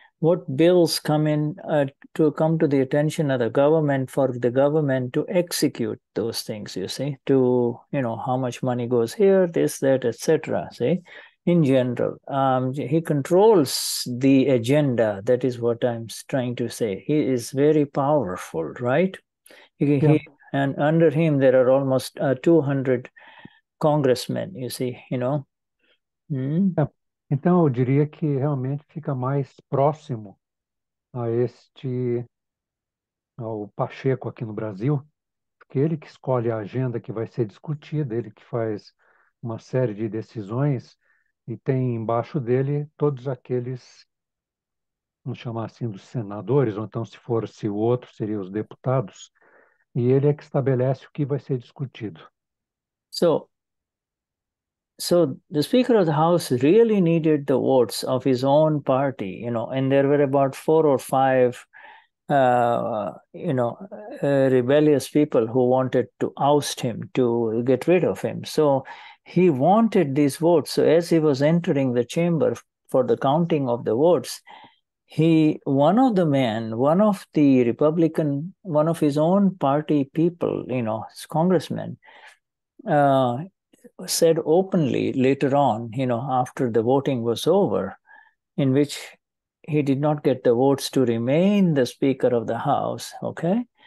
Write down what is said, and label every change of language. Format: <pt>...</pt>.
<en>what bills come in to come to the attention of the government for the government to execute those things, you see, to, you know, how much money goes here, this, that, etc., see, in general. He controls the agenda. That is what I'm trying to say. He is very powerful, right? He, yeah. And under him, there are almost 200 congressmen, you see, you know. Yeah.</en> <pt>Então, eu diria que realmente fica mais próximo a este, ao Pacheco aqui no Brasil, porque ele que escolhe a agenda que vai ser discutida, ele que faz uma série de decisões e tem embaixo dele todos aqueles, vamos chamar assim, dos senadores, ou então se fosse o outro, seriam os deputados, e ele é que estabelece o que vai ser discutido.</pt> <en>So the Speaker of the House really needed the votes of his own party, you know, and there were about four or five, you know, rebellious people who wanted to oust him, to get rid of him. So he wanted these votes. So as he was entering the chamber for the counting of the votes, he, one of the men, one of the Republican, one of his own party people, you know, his congressman, said openly later on, you know, after the voting was over, in which he did not get the votes to remain the Speaker of the House, okay?</en>